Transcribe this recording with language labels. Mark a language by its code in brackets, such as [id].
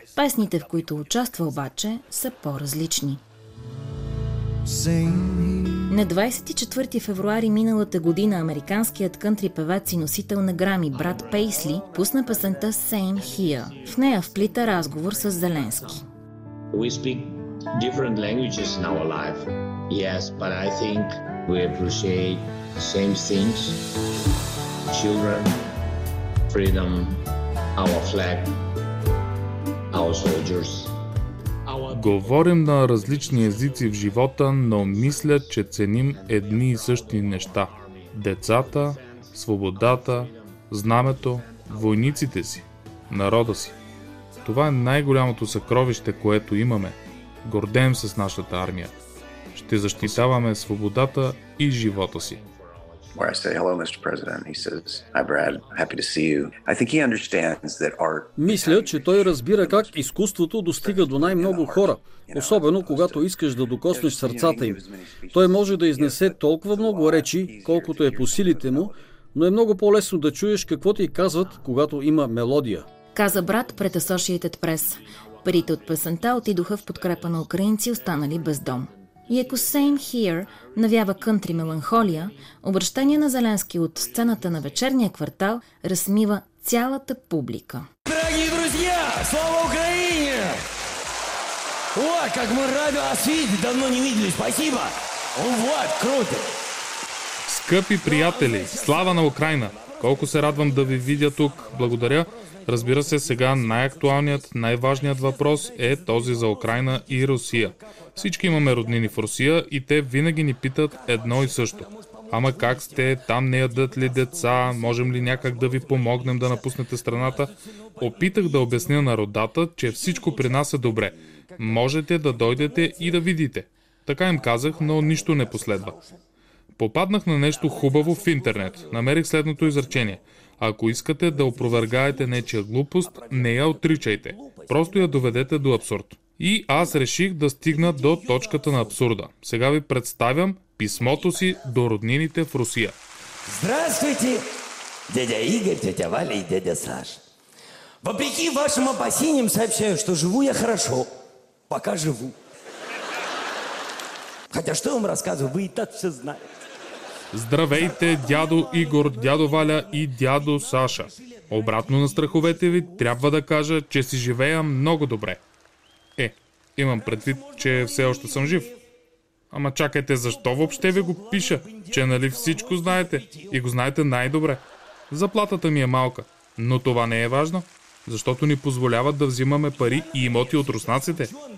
[bg] Песните, в които участва обаче, са по-различни. На 24 февруари миналата година американският кънтри певец и носител на грами Брат Пейсли пусна песента Same Here. В нея вплита разговор с Зеленски. [en] We speak different languages in our life. Yes, but I think we appreciate same things. Children, freedom, our flag, our soldiers. [bg] Говорим на различни езици в живота, но мисля, че ценим едни и същи неща. Децата, свободата, знамето, войниците си, народа си. Това е най-голямото съкровище, което имаме. Гордеем се с нашата армия. Ще защитаваме свободата и живота си. [en] Where I say hello, Mr. President, he says, "Hi, Brad. Happy to see you." I think he understands that art. [bg] Мисля, че той разбира как изкуството достига до най-много хора, особено когато искаш да докоснеш сърцата им. Той може да изнесе толкова много речи, колкото е по силите му, но е много по-лесно да чуеш какво ти казват, когато има мелодия. Каза Брат пред Associated Press. Парите от песента отидоха в подкрепа на украинци, останали без дом. И ако Same Here навява кънтри меланхолия, обръщение на Зеленски от сцената на вечерния квартал разсмива цялата публика. [ru] Драги друзья, слава Украине! О, как мы рады вас видеть, давно не виделись, спасибо! Вот, круто! [bg] Скъпи приятели, слава на Украина! Колко се радвам да ви видя тук, благодаря! Разбира се, сега най-актуалният, най-важният въпрос е този за Украина и Русия. Всички имаме роднини в Русия и те винаги ни питат едно и също. Ама как сте? Там не ядат ли деца? Можем ли някак да ви помогнем да напуснете страната? Опитах да обясня на родата, че всичко при нас е добре. Можете да дойдете и да видите. Така им казах, но нищо не последва. Попаднах на нещо хубаво в интернет. Намерих следното изречение. Ако искате да опровергаете нечия глупост, не я отричайте. Просто я доведете до абсурд. И аз реших да стигна до точката на абсурда. Сега ви представям писмото си до роднините в Русия. [ru] Здравствуйте, дядя Игорь, дядя Валя и дядя Саш. Въпреки вашим опасениям сообщаю, что живу я хорошо. Пока живу. Хотя что вам рассказываю, вы и так все знаете. [bg] Здравейте, дядо Игор, дядо Валя и дядо Саша. Обратно на страховете ви, трябва да кажа, че си живея много добре. Е, имам предвид, че все още съм жив. Ама чакайте, защо въобще ви го пиша? Че нали всичко знаете и го знаете най-добре. Заплатата ми е малка, но това не е важно, защото ни позволяват да взимаме пари и имоти от руснаците.